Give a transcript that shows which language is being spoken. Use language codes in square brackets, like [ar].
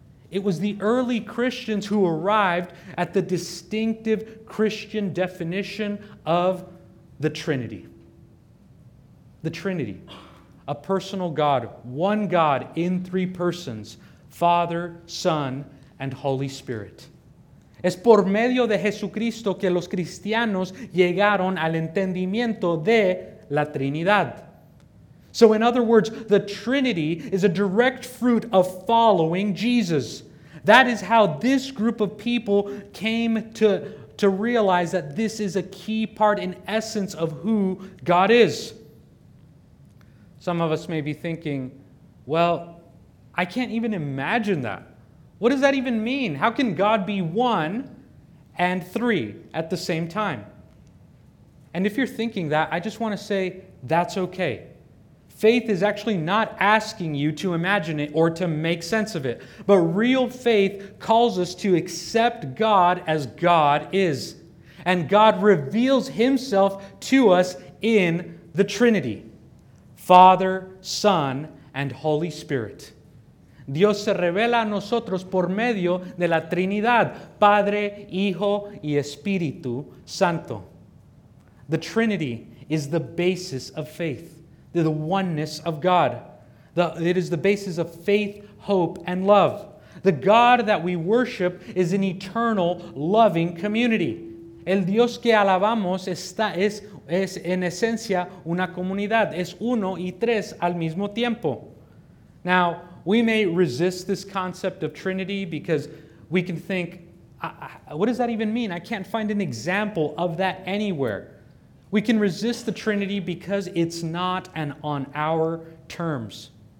[en] It was the early Christians who arrived at the distinctive Christian definition of the Trinity. The Trinity, a personal God, one God in three persons, Father, Son, and Holy Spirit. [es] Es por medio de Jesucristo que los cristianos llegaron al entendimiento de la Trinidad. [en] So in other words, the Trinity is a direct fruit of following Jesus. That is how this group of people came to realize that this is a key part in essence of who God is. Some of us may be thinking, well, I can't even imagine that. What does that even mean? How can God be one and three at the same time? And if you're thinking that, I just want to say that's okay. Faith is actually not asking you to imagine it or to make sense of it. But real faith calls us to accept God as God is. And God reveals himself to us in the Trinity. Father, Son, and Holy Spirit. [es] Dios se revela a nosotros por medio de la Trinidad. Padre, Hijo, y Espíritu Santo. [en] The Trinity is the basis of faith. The oneness of God. It is the basis of faith, hope, and love. The God that we worship is an eternal, loving community. [es] El Dios que alabamos es en esencia una comunidad. Es uno y tres al mismo tiempo. [en] Now, we may resist this concept of Trinity because we can think, what does that even mean? I can't find an example of that anywhere. We can resist the Trinity because it's not an on our terms.